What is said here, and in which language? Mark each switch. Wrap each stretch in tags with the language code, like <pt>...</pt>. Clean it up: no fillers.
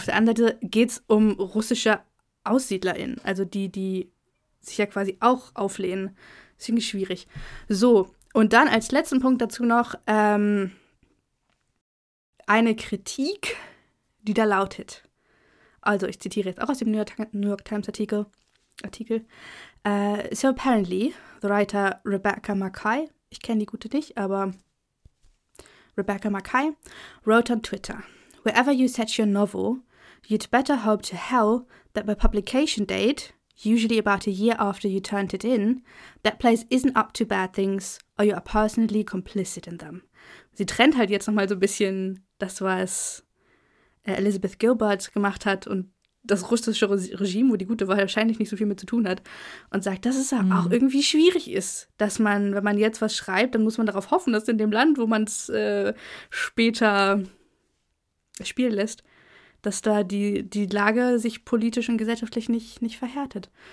<de>Auf der anderen Seite geht es um russische AussiedlerInnen, also die, die sich ja quasi auch auflehnen. Das finde ich schwierig. So, und dann als letzten Punkt dazu noch eine Kritik, die da lautet. Also, ich zitiere jetzt auch aus dem New York Times Artikel.</de> <en>So apparently, the writer Rebecca Mackay,</en> <de>ich kenne die gute nicht, aber</de> <en>Rebecca Mackay, wrote on Twitter, wherever you set your novel, you'd better hope to hell that by publication date, usually about a year after you turned it in, that place isn't up to bad things or you are personally complicit in them.</en> <de>Sie trennt halt jetzt nochmal so ein bisschen das, was Elizabeth Gilbert gemacht hat und das russische Regime, wo die gute Wahl wahrscheinlich nicht so viel mit zu tun hat, und sagt, dass es auch irgendwie schwierig ist, dass man, wenn man jetzt was schreibt, dann muss man darauf hoffen, dass in dem Land, wo man es später spielen lässt, dass da die Lage sich politisch und gesellschaftlich nicht verhärtet.</de>